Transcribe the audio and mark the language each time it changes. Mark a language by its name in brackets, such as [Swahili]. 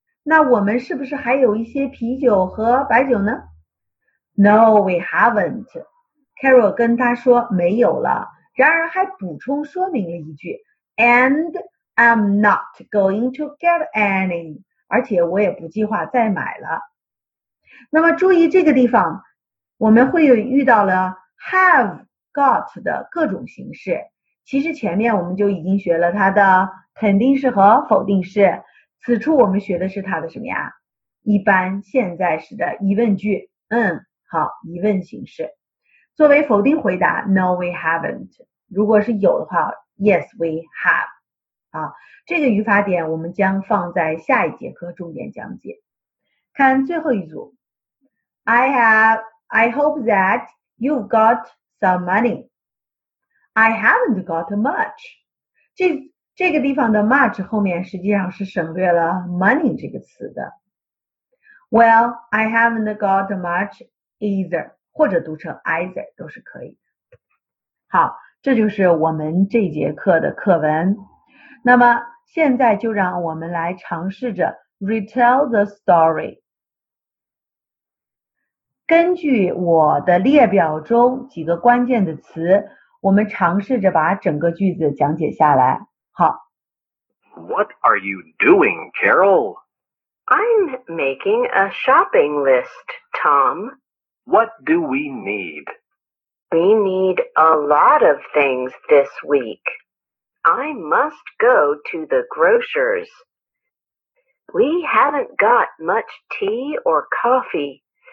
[Chinese] 那我们是不是还有一些啤酒和白酒呢？ [English] No, we haven't. Carol [Chinese] 跟他说没有了，然而还补充说明了一句， [English] And I'm not going to get any. [Chinese] 而且我也不计划再买了。那么注意这个地方，我们会遇到了 have got 的各种形式。其实前面我们就已经学了它的肯定式和否定式，此处我们学的是它的什么呀？一般现在时的疑问句，嗯，好，疑问形式。作为否定回答 ， [English] No, we haven't。 [Chinese] 如果是有的话 ， [English] Yes, we have。 [Chinese] 啊，这个语法点我们将放在下一节课重点讲解。看最后一组 [English] ，I hope that you've got some money。 I haven't got much. [Chinese] 这个地方的 much 后面实际上是省略了 money 这个词的。 [English] Well, I haven't got much either. [Chinese] 或者读成 either 都是可以的。好，这就是我们这节课的课文。那么现在就让我们来尝试着 [English] retell the story。 [Chinese] 根据我的列表中几个关键的词，我们尝试着把整个句子讲解下来。好。 [English] What are you doing, Carol? I'm making a shopping list, Tom. What do we need? We need a lot of things this week. I must go to the grocers. We haven't got much tea or coffee.